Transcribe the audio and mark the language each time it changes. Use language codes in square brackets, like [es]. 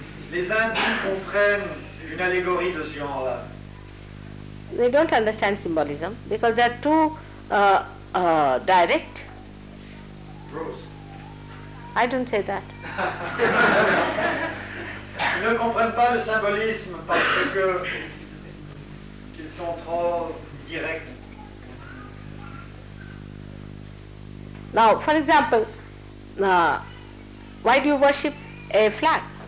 [fr] Les Indiens comprennent une allégorie de ce genre-là. [en] They don't understand symbolism because they're too direct. Gross. I don't say that. [fr] Ils ne comprennent pas le symbolisme parce que qu'ils sont trop directs. [en] Now, for example, why do you worship a flag?